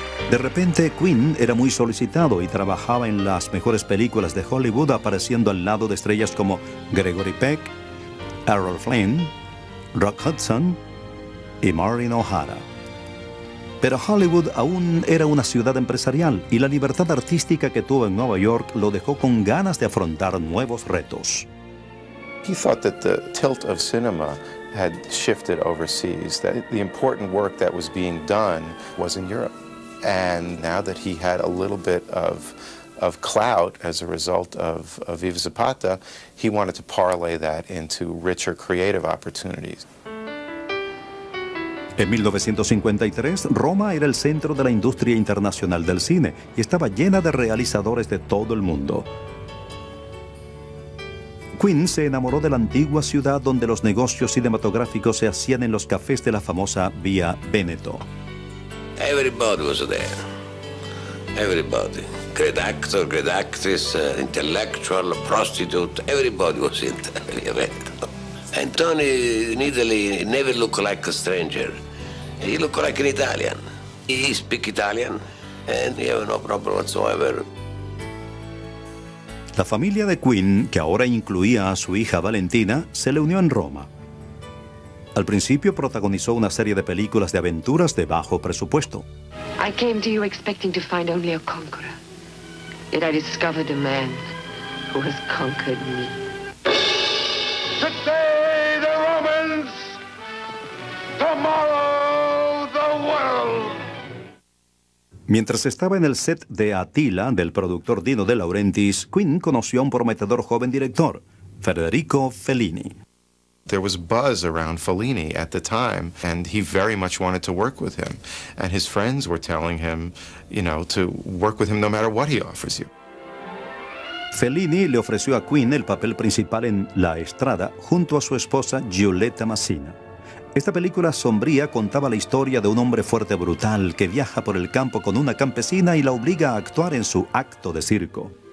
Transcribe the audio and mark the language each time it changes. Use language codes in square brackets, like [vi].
[es] De repente, Quinn era muy solicitado y trabajaba en las mejores películas de Hollywood, apareciendo al lado de estrellas como Gregory Peck, Errol Flynn, Rock Hudson y Maureen O'Hara. Pero Hollywood aún era una ciudad empresarial y la libertad artística que tuvo en Nueva York lo dejó con ganas de afrontar nuevos retos. [en] He thought that the tilt of cinema had shifted overseas, that the important work that was being done was in Europe. And now that he had a little bit of clout as a result of Viva Zapata, he wanted to parlay that into richer creative opportunities. [es] En 1953, Roma era el centro de la industria internacional del cine y estaba llena de realizadores de todo el mundo. Quinn se enamoró de la antigua ciudad donde los negocios cinematográficos se hacían en los cafés de la famosa Vía Veneto. [en] Everybody was there. Everybody. Great actor, great actress, intellectual, prostitute, everybody was in Vía Veneto. And Tony in Italy never looked like a stranger. He looked like an Italian. He speak Italian, and he have no problem whatsoever. [es] La familia de Quinn, que ahora incluía a su hija Valentina, se le unió en Roma. Al principio protagonizó una serie de películas de aventuras de bajo presupuesto. [en] I came to you expecting to find only a conqueror. Yet I discovered a man who has conquered me. Today the Romans, tomorrow. [es] Mientras estaba en el set de Attila, del productor Dino De Laurentiis, Quinn conoció a un prometedor joven director, Federico Fellini. [en] There was buzz around Fellini at the time, and he very much wanted to work with him. And his friends were telling him, you know, to work with him no matter what he offers you. [es] Fellini le ofreció a Quinn el papel principal en La Estrada, junto a su esposa Giulietta Masina. Esta película sombría contaba la historia de un hombre fuerte brutal que viaja por el campo con una campesina y la obliga a actuar en su acto de circo.